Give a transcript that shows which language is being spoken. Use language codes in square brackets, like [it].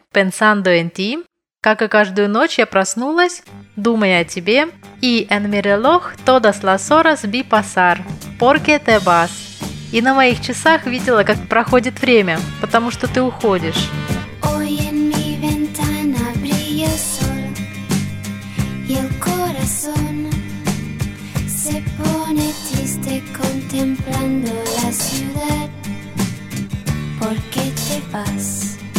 [es] Pensando en ti. [ru] Как и каждую ночь я проснулась, думая о тебе. И [es] en mi reloj todas las horas vi pasar. Porque te vas. [ru] И на моих часах видела, как проходит время, потому что ты уходишь. [es] Hoy en mi ventana brilla sol. Y el corazón se pone triste contemplando la ciudad. Porque te vas.